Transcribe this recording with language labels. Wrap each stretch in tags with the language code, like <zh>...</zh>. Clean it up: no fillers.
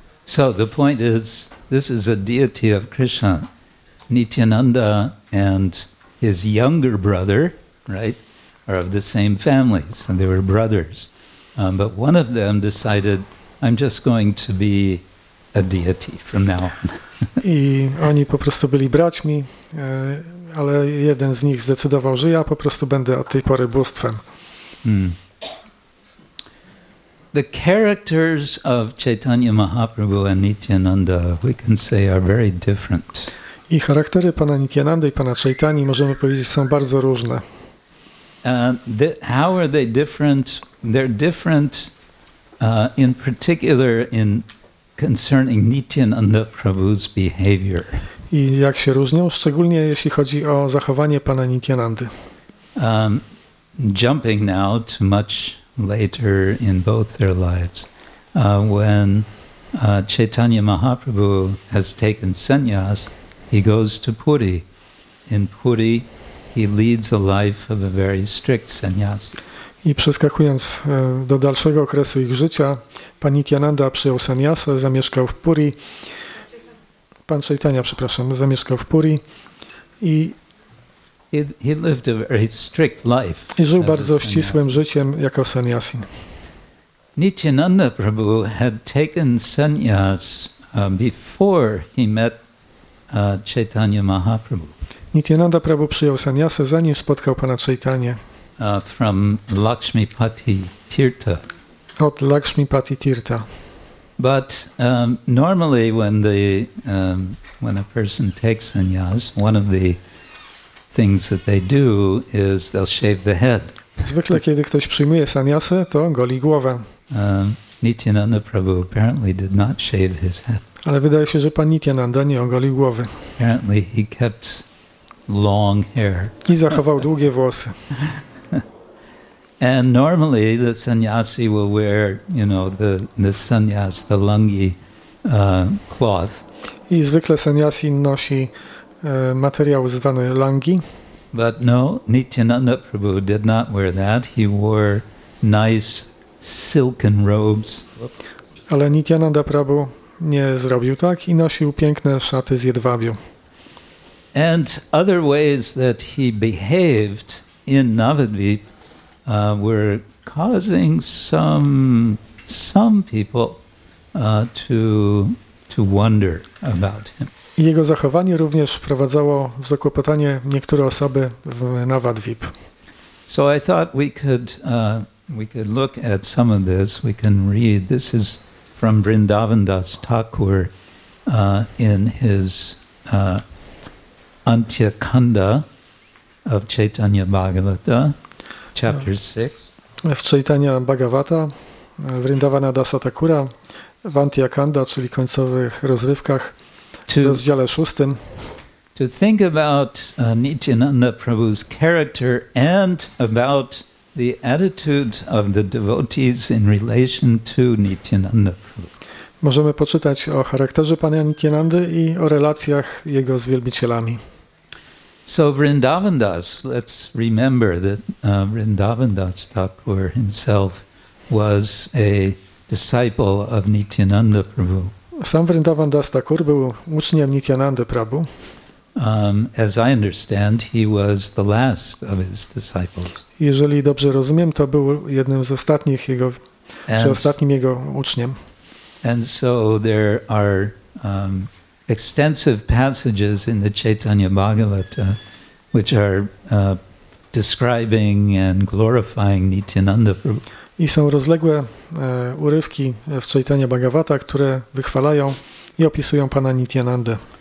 <en>So the point is, this is a deity of Krishna. Nityananda and his younger brother, right, are of the same family, so they were brothers. But one of them decided, I'm just going to be a deity from now on.</en> <pl>I oni po prostu byli braćmi, ale jeden z nich zdecydował, że ja po prostu będę od tej pory bóstwem.</pl> <en>The characters of Chaitanya Mahaprabhu and Nityananda, we can say, are very different.</en> <pl>I charaktery pana Nityanandy i pana Chaitani, możemy powiedzieć, są bardzo różne.</pl> <en>How are they different? They're different in particular in concerning Nityananda Prabhu's behavior.</en> <pl>I jak się różnią, szczególnie jeśli chodzi o zachowanie pana Nityanandy.</pl> <en>Jumping now to much later in both their lives, when Chaitanya Mahaprabhu has taken sannyas, he goes to Puri. In Puri, he leads a life of a very strict sannyas.</en> <pl>I przeskakując do dalszego okresu ich życia, pan Nityananda przyjął sannyasa, zamieszkał w Puri. Pan Chaitanya, przepraszam, zamieszkał w Puri i</pl> <en>he lived a very strict life.</en> <pl>I żył bardzo ścisłym życiem jako sannyasin.</pl> <en>Nityananda Prabhu had taken sannyas before he met Chaitanya Mahaprabhu.</en> <pl>Nityananda Prabhu przyjął sannyasę zanim spotkał pana Chaitanya.</pl> <en>From Lakshmipati Tirtha.</en> <pl>Od Lakshmipati Tirtha.</pl> <en>But normally when the when a person takes sannyas, one of the things that they do is they'll shave the head.</en> <pl>Zwykle kiedy ktoś przyjmuje sannyasę, to goli głowę.</pl> <en>Nityananda Prabhu apparently did not shave his head.</en> <pl>Ale wydaje się, że pan Nityananda nie ogolił głowy.</pl> <en>Apparently he kept long hair.</en> <pl>I zachował długie włosy.</pl> <en>And normally the sannyasi will wear, you know, the sannyas, the lungi cloth.</en> <pl>I zwykle sannyasi nosi materiał zwany lungi.</pl> <en>But no, Nityananda Prabhu did not wear that. He wore nice silken robes.</en> <pl>Ale Nityananda Prabhu nie zrobił tak i nosił piękne szaty z jedwabiu.</pl> <en>And other ways that he behaved in Navadvip were causing some people to wonder about him.</en> <pl>Jego zachowanie również wprowadzało w zakłopotanie niektóre osoby w Navadvip.</pl> <en>So I thought we could look at some of this. We can read. This is from Vrindavandas Thakur in his Antyakanda of Chaitanya Bhagavata, chapter 6.</en> <pl>W Chaitanya Bhagavata, Vrindavanadasa Thakura, w Antyakanda, czyli końcowych rozrywkach, w rozdziale 6.</pl> <en>To think about Nityananda Prabhu's character and about the attitude of the devotees in relation to Nityananda Prabhu.</en> <pl>Możemy poczytać o charakterze pana Nityanandy i o relacjach jego z wielbicielami.</pl> <en>So Vrindavandas, let's remember that Vrindavandas Thakur himself was a disciple of Nityananda Prabhu.</en> <pl>Sam Vrindavandas Thakur był uczniem Nityananda Prabhu.</pl> <en>As I understand, he was the last of his disciples.</en> <pl>Jeżeli dobrze rozumiem, to był jednym z ostatnich jego, ostatnim jego uczniem.</pl> <en>And so there are extensive passages in the Chaitanya Bhagavata which are describing and glorifying Nityananda Prabhu.</en> <pl>I są rozległe urywki w Chaitanya Bhagavata, które wychwalają i opisują pana Nityanandę.</pl>